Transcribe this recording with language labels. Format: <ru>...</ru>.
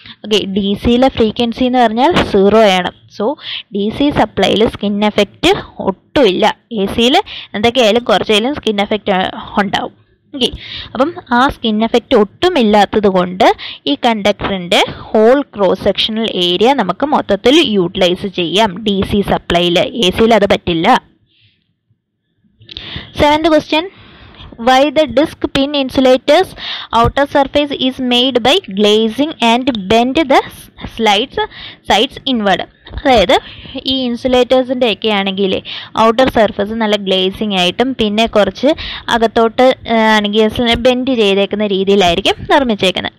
<ml>Okay, D സിയിലെ frequency എന്ന് പറഞ്ഞാൽ സീറോ ആണ്. So D C സപ്ലൈയിൽ skin effect ഒട്ടുമില്ല, എ സിയിൽ എന്തൊക്കെയായാലും കുറച്ചായാലും സ്കിൻ എഫക്റ്റ് ഉണ്ടാവും. ഓക്കെ, അപ്പം ആ സ്കിൻ എഫക്റ്റ് ഒട്ടുമില്ലാത്തത് കൊണ്ട് ഈ കണ്ടക്ടറിൻ്റെ ഹോൾ ക്രോസ് സെക്ഷണൽ ഏരിയ നമുക്ക് മൊത്തത്തിൽ യൂട്ടിലൈസ് ചെയ്യാം ഡി സി സപ്ലൈയിൽ, എ സിയിൽ അത് പറ്റില്ല. Seventh question,</ml> <en>why the disc pin insulator's outer surface is made by glazing and bend the sides inward.</en> <ml>അതായത് ഈ ഇൻസുലേറ്റേഴ്സിൻ്റെ ഒക്കെ ആണെങ്കിൽ ഔട്ടർ സർഫസ് നല്ല ഗ്ലേസിങ് ആയിട്ടും പിന്നെ കുറച്ച് അകത്തോട്ട് ആണെങ്കിൽ ബെൻഡ് ചെയ്തേക്കുന്ന രീതിയിലായിരിക്കും നിർമ്മിച്ചേക്കുന്നത്.</ml>